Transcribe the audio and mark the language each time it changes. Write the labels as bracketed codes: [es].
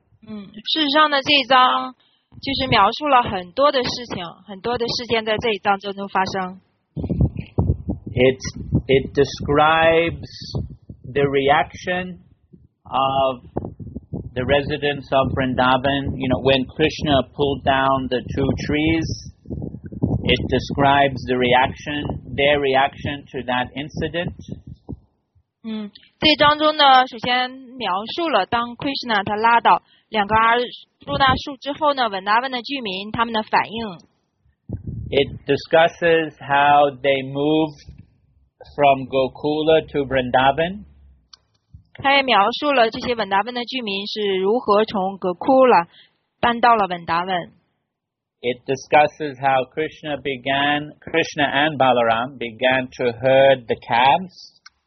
[zh] 事实上呢，这一章就是描述了很多的事情，很多的事件在这一章当中发生。 [en] It describes the reaction of the residents of Vrindavan, you know, when Krishna pulled down the two trees. It describes the reaction, their reaction to that incident. [zh] 这章中呢，首先描述了当 Krishna 他拉倒两个阿朱纳树之后呢，文达文的居民他们的反应。 [en] It discusses how they moved from Gokula to Vrindavan. [zh] 他也描述了这些文达文的居民是如何从 Gokula 搬到了文达文。 [en] It discusses how Krishna and Balaram began to herd the calves.